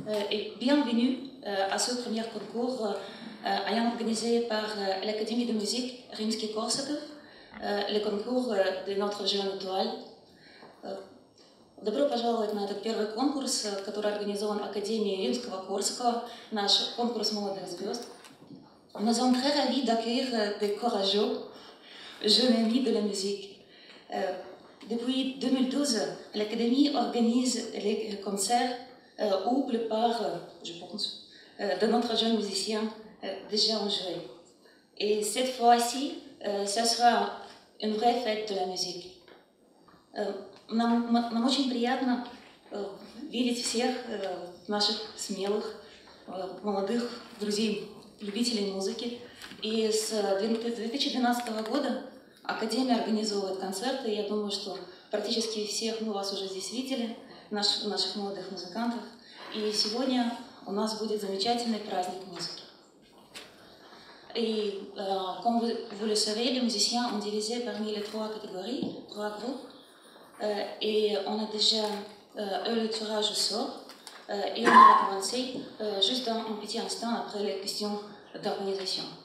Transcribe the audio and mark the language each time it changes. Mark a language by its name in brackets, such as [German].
[French] Et bienvenue à ce premier concours ayant organisé par l'Académie de musique Rimsky-Korsakov, le concours de notre jeune étoile. [Russian] Добро пожаловать на этот первый конкурс, который организован Академией Римского-Корсакова, наш конкурс молодых звезд. [French] Nous sommes très ravis d'accueillir des courageux jeunes amis de la musique. Depuis 2012, l'Académie organise les concerts où la plupart, je pense, de notre jeune musicien déjà en jeu. Et cette fois-ci, ce sera une vraie fête de la musique. [Russian] Нам очень приятно видеть всех наших смелых, молодых друзей, любителей музыки. И с 2012 года Академия организовывает концерты. Я думаю, что практически всех мы вас уже здесь видели, наших молодых музыкантов. И сегодня у нас будет замечательный праздник музыки. [French] И, comme vous le savez, les musiciens ont divisé parmi les trois catégories, trois groupes. Et on a déjà eu le tirage au sort et on va commencer juste dans un petit instant après les questions d'organisation.